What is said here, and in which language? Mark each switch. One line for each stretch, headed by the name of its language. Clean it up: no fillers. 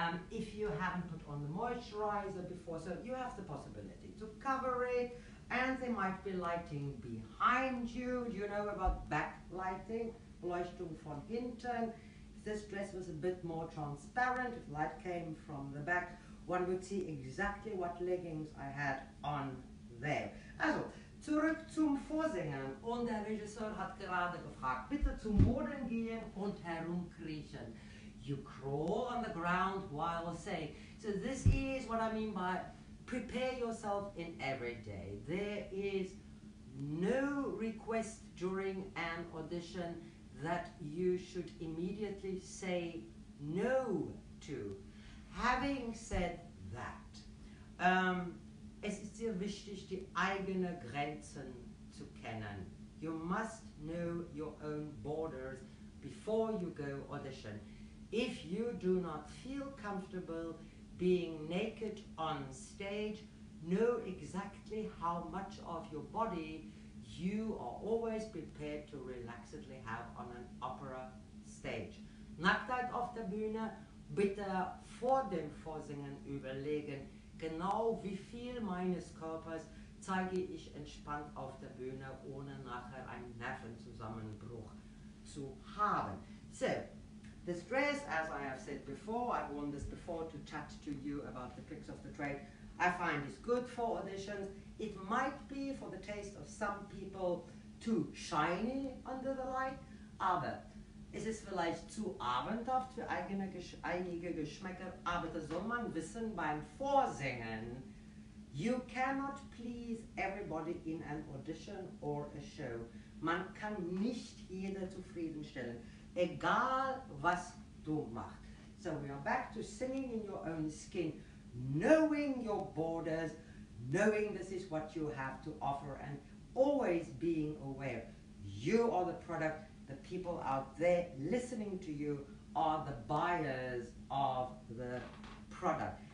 English: If you haven't put on the moisturizer before, so you have the possibility to cover it, and there might be lighting behind you. Do you know about backlighting?
German: Beleuchtung von hinten.
English: This dress was a bit more transparent, if light came from the back, one would see exactly what leggings I had on there.
German: Also, zurück zum Vorsingen. Und der Regisseur hat gerade gefragt, bitte zum Boden gehen und herumkriechen.
English: You crawl on the ground while saying. So this is what I mean by prepare yourself in every day. There is no request during an audition that you should immediately say no to. Having said that,
German: es ist sehr wichtig, die eigene Grenzen zu kennen.
English: You must know your own borders before you go audition. If you do not feel comfortable being naked on stage, know exactly how much of your body you are always prepared to relaxedly have on an opera stage.
German: Nacktheit auf der Bühne, bitte vor dem Vorsingen überlegen, genau wie viel meines Körpers zeige ich entspannt auf der Bühne, ohne nachher einen Nervenzusammenbruch zu haben.
English: So, this dress, as I have said before, I've worn this before to chat to you about the tricks of the trade, I find it's good for auditions. It might be, for the taste of some people, too shiny under the light.
German: Aber Es ist vielleicht zu abendhaft für einige Geschmäcker, aber das soll man wissen beim Vorsingen.
English: You cannot please everybody in an audition or a show.
German: Man kann nicht jeder zufriedenstellen, egal was du machst.
English: So we are back to singing in your own skin, knowing your borders, knowing this is what you have to offer, and always being aware you are the product. The people out there listening to you are the buyers of the product.